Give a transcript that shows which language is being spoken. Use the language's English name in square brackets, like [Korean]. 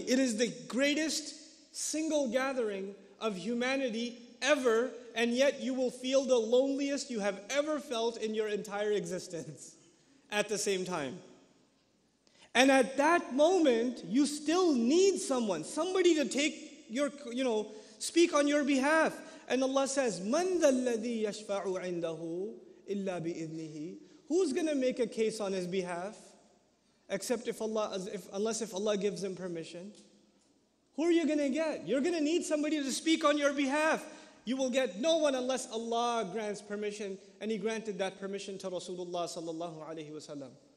[English] It is the greatest single gathering of humanity ever, and yet you will feel the loneliest you have ever felt in your entire existence at the same time. And at that moment, you still need someone. Somebody to take your, you know, speak on your behalf. And Allah says, [Arabic] مَنْ ذَا الَّذِي يَشْفَعُ عِنْدَهُ إِلَّا بِإِذْنِهِ. [English] Who's going to make a case on his behalf? Except if Allah gives him permission. Who are you going to get? You're going to need somebody to speak on your behalf. You will get no one unless Allah grants permission. And He granted that permission to Rasulullah sallallahu alayhi wa sallam.